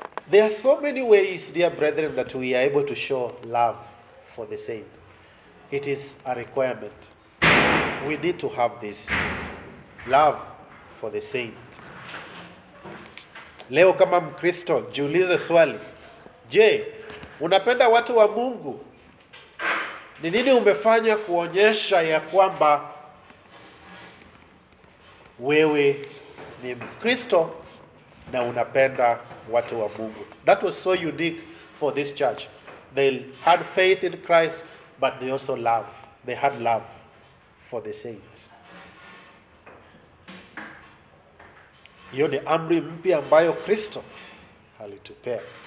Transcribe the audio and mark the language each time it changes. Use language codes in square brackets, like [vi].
[en] There are so many ways, dear brethren, that we are able to show love for the saint. It is a requirement. We need to have this love for the saint. [sw] Leo kama Mkristo, jiulize swali. Je, unapenda watu wa Mungu? Ni nini umefanya kuonyesha ya kwamba wewe ni Mkristo na unapenda watu wa Mungu? [en] That was so unique for this church. They had faith in Christ, but they also love. They had love for the saints. [sw] Hiyo ni amri mpya ambayo Kristo alitupea.